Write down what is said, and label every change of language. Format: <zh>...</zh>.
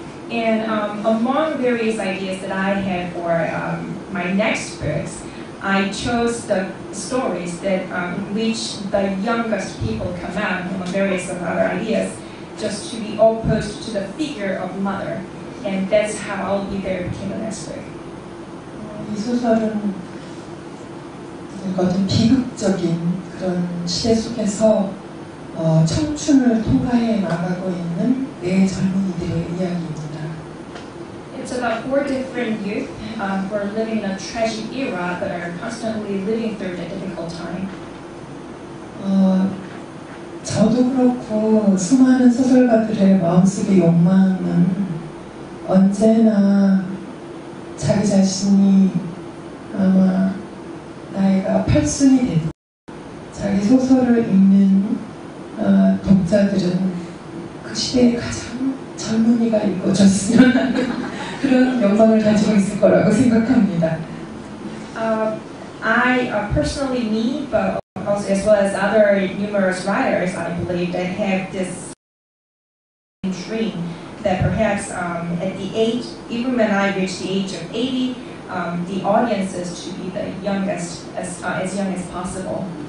<en>And among various ideas that I had for my next books, I chose the stories that which the youngest people come out from various other ideas, just to be opposed to the figure of mother, and that's how I'll be there became the next book.</en> <ko>이 소설은 어떤 비극적인 그런 시대 속에서 청춘을 통과해 나가고 있는 네 젊은이들의 이야기입니다.</ko> <en>It's about four different youth who are living in a tragic era but are constantly living through a difficult time.</en> <ko>저도 그렇고 수많은 소설가들의 마음속의 욕망은 언제나 자기 자신이 아마 나이가 8순이 되든 자기 소설을 읽는 독자들은 그 시대에 가장 젊은이가 읽어줬으면 하는 그런 영광을 가지고 있을 거라고 생각합니다.</ko> <en>I personally, me, but also as well as other numerous writers, I believe that have this dream that perhaps at the age, even when I reach the age of 80, the audiences should be the youngest, as young as possible.</en>